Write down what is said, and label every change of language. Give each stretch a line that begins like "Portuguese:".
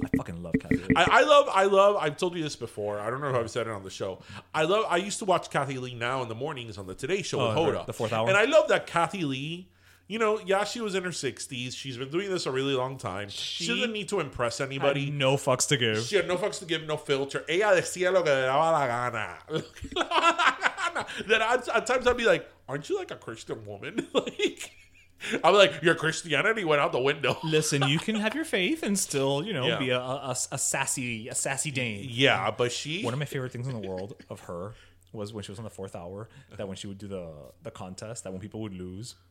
English: I fucking love Kathy Lee. I love, I've told you this before. I don't know if I've said it on the show. I used to watch Kathy Lee Now in the mornings on the Today Show with Hoda. The fourth hour. And I love that Kathy Lee, you know, yeah, she was in her 60s. She's been doing this a really long time. She didn't need to impress anybody. Had no fucks to give. She had no fucks to give, no filter.
Spanish: Ella decía lo que le daba la gana.
English: Then at times I'd be like, aren't you like a Christian woman? Like, I'm like, your Christianity went out the window. Listen, you can have your faith and still, you know, yeah. be a sassy dame. Yeah, but she... One of my favorite things in the world of her was when she was on the fourth hour, that when she would do the contest, that when people would lose...